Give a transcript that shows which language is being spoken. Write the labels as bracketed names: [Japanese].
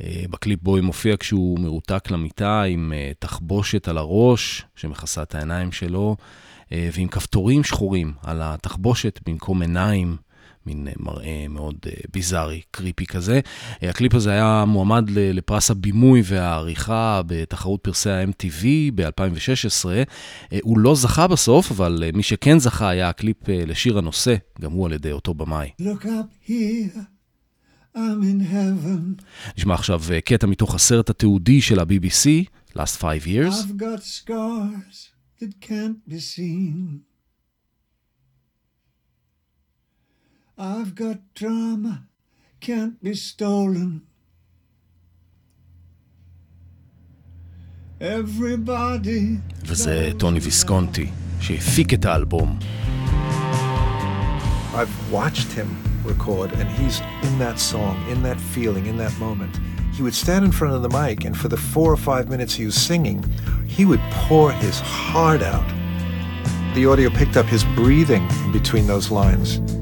[Hebrew] בקליפ בוי מופיע כשהוא מרותק למיטה עם תחבושת על הראש שמכסה את העיניים שלו, ועם כפתורים שחורים על התחבושת במקום עיניים, מין מראה מאוד ביזרי, קריפי כזה. הקליפ הזה היה מועמד לפרס הבימוי והעריכה בתחרות פרסי ה-MTV ב-2016. הוא לא זכה בסוף, אבל מי שכן זכה היה הקליפ לשיר הנושא, גם הוא על ידי אותו במאי. [English] Look up here, I'm in heaven. [Hebrew] נשמע עכשיו קטע מתוך הסרט התיעודי של ה-BBC, Last Five Years. [English] I've got scars that can't be seen. I've got drama can't be stolen. Everybody. [Hebrew] וזה טוני ויסקונטי שהפיק את האלבום. [English] I've watched him record and he's in that song, in that feeling, in that moment. He would stand in front of the mic and for the 4 or 5 minutes he was singing, he would pour his heart out. The audio picked up his breathing between those lines.